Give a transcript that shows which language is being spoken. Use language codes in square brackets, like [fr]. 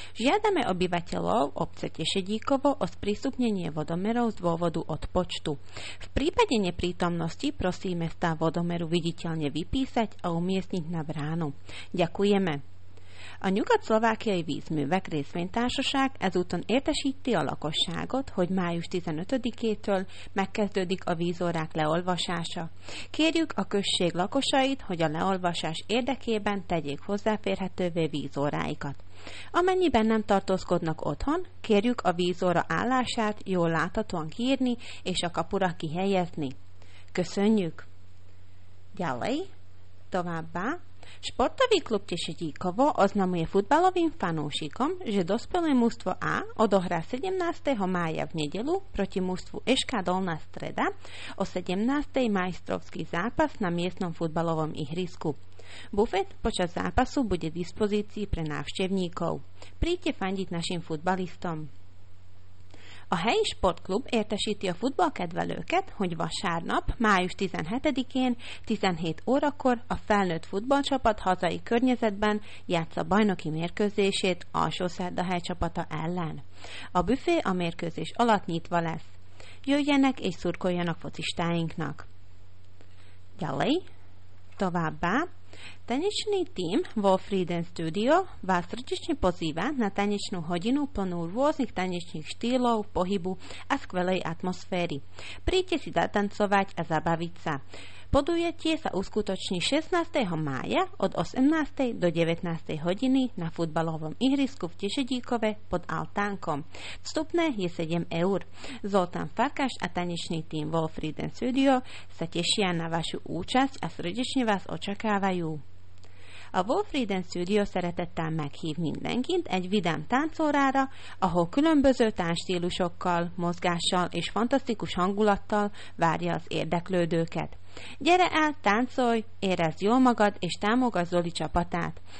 [sk] Žiadame obyvateľov obce Tešedíkovo o sprístupnenie vodomerov z dôvodu odpočtu. V prípade neprítomnosti prosíme stav vodomeru viditeľne vypísať a umiestniť na bránu. Ďakujeme. [hu] A nyugat-szlovákiai vízművek részvénytársaság ezúton értesíti a lakosságot, hogy május 15-től megkezdődik a vízórák leolvasása. Kérjük a község lakosait, hogy a leolvasás érdekében tegyék hozzáférhetővé vízóráikat. Amennyiben nem tartózkodnak otthon, kérjük a vízóra állását jól láthatóan kiírni és a kapura kihelyezni. Köszönjük! Gyalej! Továbbá! [sk] Športový klub Tešedíkovo oznamuje futbalovým fanúšikom, že dospelé mužstvo A odohrá 17. mája v nedeľu proti mužstvu EŠK Dolná Streda o 17. majstrovský zápas na miestnom futbalovom ihrisku. Bufet počas zápasu bude v dispozícii pre návštevníkov. Príďte fandiť našim futbalistom. [hu] A helyi sportklub értesíti a futballkedvelőket, hogy vasárnap, május 17-én, 17 órakor a felnőtt futballcsapat hazai környezetben játssza bajnoki mérkőzését Alsó-Szerdahely csapata ellen. A büfé a mérkőzés alatt nyitva lesz. Jöjjenek és szurkoljanak focistáinknak! Gyalej! Továbbá, [sk] tanečný tím vo Freedom Studio vás srdečne pozýva na tanečnú hodinu plnú rôznych tanečných štýlov, pohybu a skvelej atmosféry. Príďte si zatancovať a zabaviť sa. Podujatie sa uskutoční 16. mája od 18. do 19. hodiny na futbalovom ihrisku v Tešedíkove pod altánkom. Vstupné je 7 eur. Zoltán Farkáš a tanečný tím Wolfrieden Studio sa tešia na vašu účasť a srdečne vás očakávajú. [hu] A Wolfrieden Studio szeretettel meghív mindenkit egy vidám táncórára, ahol különböző táncstílusokkal, mozgással és fantasztikus hangulattal várja az érdeklődőket. Gyere el, táncolj, érezd jól magad és támogass Zoli csapatát!